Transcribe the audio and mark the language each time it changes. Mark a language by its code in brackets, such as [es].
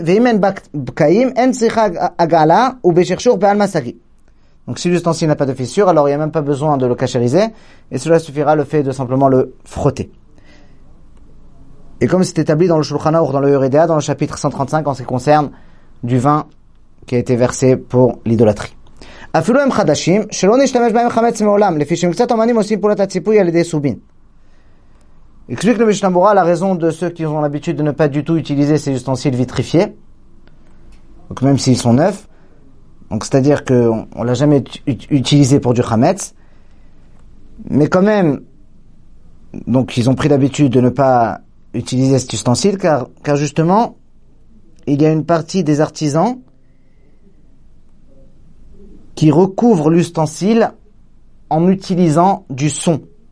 [fr] Donc si l'ustensile n'a pas de fissures, alors il n'y a même pas besoin de le kachériser. Et cela suffira le fait de simplement le frotter. Et comme c'est établi dans le Shulchan Aruch, dans le Yoredea, dans le chapitre 135, en ce qui concerne du vin qui a été versé pour l'idolâtrie. [he] אפילו הם חדשים שלא נשתמש בהם חמץ מעולם לפי שהם קצת אומנים עושים פעולת הציפוי על ידי סובין. [fr] Explique le Mishnah Berurah la raison de ceux qui ont l'habitude de ne pas du tout utiliser ces ustensiles vitrifiés, donc même s'ils sont neufs, donc c'est-à-dire qu'on ne l'a jamais utilisé pour du chametz, mais quand même, donc ils ont pris l'habitude de ne pas utiliser cet ustensile, car justement, il y a une partie des artisans qui recouvre l'ustensile en utilisant du son.